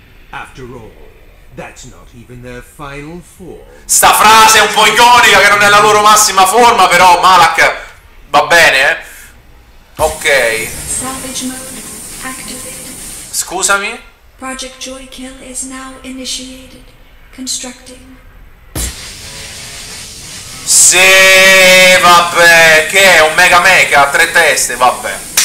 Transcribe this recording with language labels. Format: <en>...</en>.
<en>After all, that's not even their final form.</en> <it>Sta frase è un po' iconica, che non è la loro massima forma, però Malak va bene, eh?</it> <en>Ok. Salvage mode activated.</en> <it>Scusami?</it> <en>Project Joykill is now initiated. Constructing.</en> <it>Sì, vabbè, che è un mega mecha a tre teste, vabbè.</it>